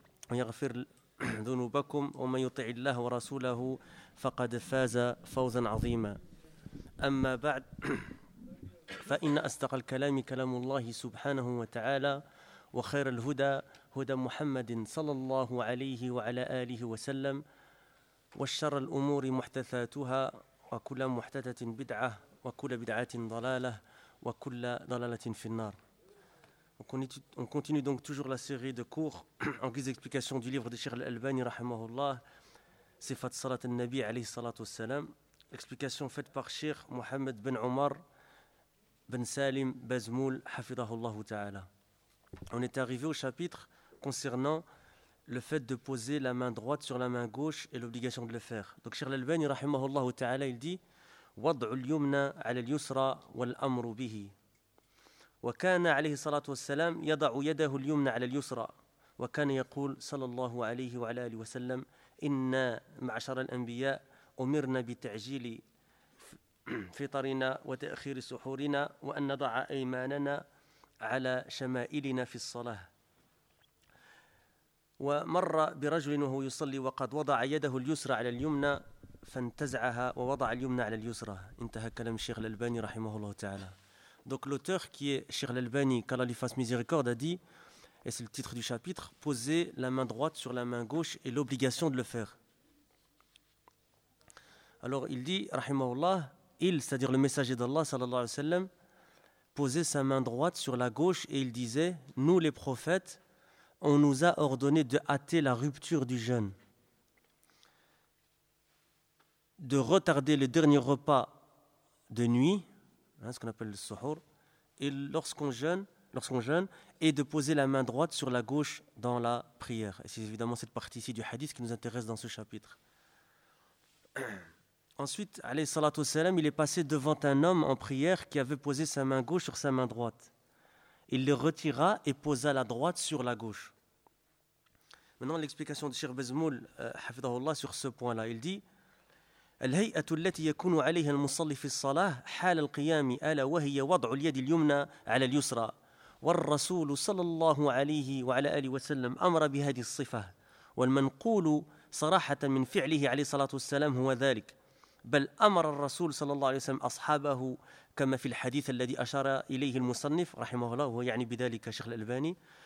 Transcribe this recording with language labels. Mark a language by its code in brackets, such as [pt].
[ar] ويغفر ذنوبكم ومن يطع الله ورسوله فقد فاز فوزا عظيما أما بعد فإن أصدق الكلام كلام الله سبحانه وتعالى وخير الهدى هدى محمد صلى الله عليه وعلى آله وسلم والشر الأمور محدثاتها وكل محدثة بدعة وكل بدعة ضلالة وكل ضلالة في النار. [fr] On continue donc toujours la série de cours en guise d'explication du livre de Cheikh Al-Albani, rahimahullah, Sifat Salat al-Nabi, alayhi salatu wassalam. Explication faite par Cheikh Mohamed ben Omar ben Salim Bazmoul, hafidahullahu ta'ala. On est arrivé au chapitre concernant le fait de poser la main droite sur la main gauche et l'obligation de le faire. Donc Cheikh Al-Albani, rahimahullahu ta'ala, il dit [ar] « Wad'u al-yumna ala al-yusra wal-amru bihi » وكان عليه الصلاة والسلام يضع يده اليمنى على اليسرى وكان يقول صلى الله عليه وعلى آله وسلم إن معشر الأنبياء أمرنا بتعجيل فطرنا وتأخير سحورنا وأن نضع أيماننا على شمائلنا في الصلاة ومر برجل وهو يصلي وقد وضع يده اليسرى على اليمنى فانتزعها ووضع اليمنى على اليسرى. انتهى كلام الشيخ الألباني رحمه الله تعالى. [fr] Donc l'auteur qui est Cheikh l'Albani, qu'Allah lui fasse miséricorde, a dit, et c'est le titre du chapitre, poser la main droite sur la main gauche et l'obligation de le faire. Alors il dit, rahimahullah, il, c'est-à-dire le messager d'Allah, sallallahu alayhi wa sallam, posait sa main droite sur la gauche et il disait, nous les prophètes, on nous a ordonné de hâter la rupture du jeûne, de retarder le dernier repas de nuit, hein, ce qu'on appelle le suhur, et lorsqu'on jeûne, et de poser la main droite sur la gauche dans la prière. Et c'est évidemment cette partie-ci du hadith qui nous intéresse dans ce chapitre. Ensuite, alayhi salatu wasalam, il est passé devant un homme en prière qui avait posé sa main gauche sur sa main droite. Il le retira et posa la droite sur la gauche. Maintenant, l'explication de Cheikh Bezmoul, hafidhahullah, sur ce point-là. Il dit, [ar] الهيئة التي يكون عليها المصلي في الصلاة حال القيام ألا وهي وضع اليد اليمنى على اليسرى والرسول صلى الله عليه وعلى آله وسلم أمر بهذه الصفة والمنقول صراحة من فعله عليه الصلاة والسلام هو ذلك بل أمر الرسول صلى الله عليه وسلم أصحابه كما في الحديث الذي أشار إليه المصنف رحمه الله وهو يعني بذلك شيخ الألباني